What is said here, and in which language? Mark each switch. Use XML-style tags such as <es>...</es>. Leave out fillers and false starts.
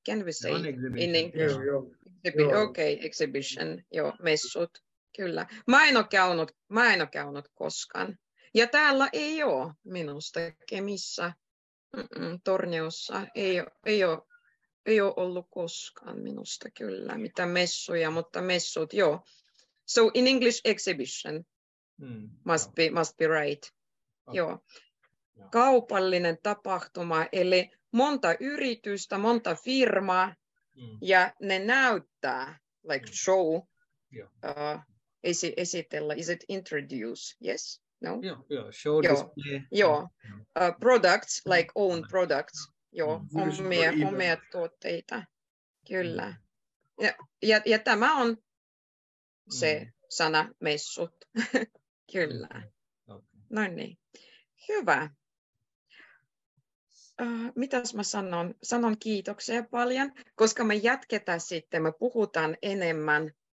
<en>Can we say in English? Exhibition.</en> <fi>Joo, messut. Kyllä. Mä en ole käynyt koskaan. Ja täällä ei ole minusta Kemissä. Torniossa ei ole ollut koskaan minusta kyllä mitä messuja, mutta messut joo.</fi> <en>So in English exhibition must be right. Okay. Joo.</en> <fi>Kaupallinen tapahtuma, eli monta yritystä, monta firmaa ja ne näyttää</fi> <en>like show. Yeah.</en> <fi>Esitellä,</fi> <en>is it introduce? Yes. No. Joo, joo, show display. Joo. Products, like own products.</en> <fi>Joo, omia tuotteita. Kyllä. Ja tämä on se sana messut. Kyllä. Okay. No niin. Hyvä. Mitäs mä sanon? Sanon kiitoksia paljon, koska me jatketaan sitten, me puhutaan enemmän.</fi>